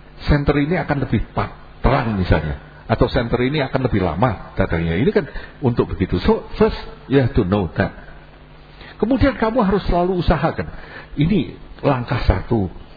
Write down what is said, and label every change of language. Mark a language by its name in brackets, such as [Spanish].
[Indonesian] Senter ini akan lebih terang misalnya. Atau senter ini akan lebih lama datangnya. Ini kan untuk begitu. [English] So first you have to know that. [Indonesian] Kemudian kamu harus selalu usahakan. Ini langkah satu.